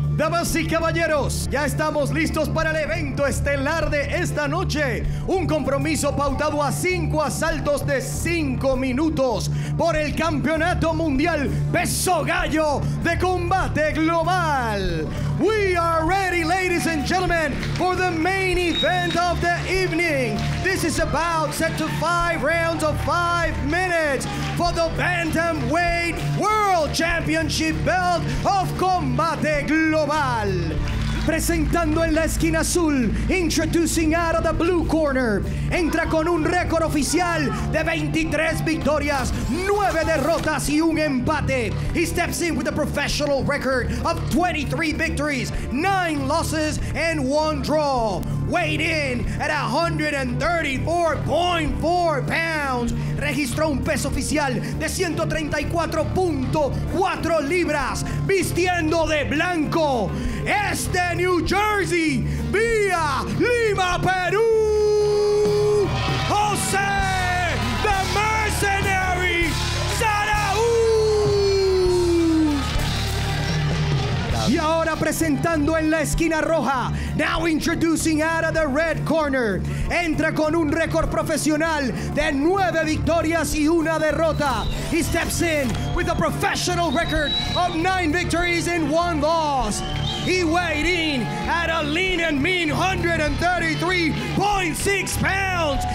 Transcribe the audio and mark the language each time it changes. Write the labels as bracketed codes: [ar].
[es] Damas y caballeros, ya estamos listos para el evento estelar de esta noche. Un compromiso pautado a 5 asaltos de 5 minutos por el Campeonato Mundial Peso Gallo de Combate Global. [en] We are ready, ladies and gentlemen, for the main event of the evening. This is about set to 5 rounds of 5 minutes for the Bantamweight World Championship belt of Combate Global. [es] Presentando en la esquina azul, [en] introducing out of the blue corner, [es] entra con un récord oficial de 23 victorias, 9 derrotas y un empate. [en] He steps in with a professional record of 23 victories, 9 losses and 1 draw. Weighed in at 134.4 pounds. [es] Registró un peso oficial de 134.4 libras, vistiendo de blanco. Este New Jersey, vía Lima, Perú. José the Mercenary Zarauz. Y ahora presentando en la esquina roja. [en] Now introducing out of the red corner. [es] Entra con un récord profesional de 9 victorias y 1 derrota. [en] He steps in with a professional record of 9 victories and 1 loss. He weighed in at a lean and mean 133.6 pounds.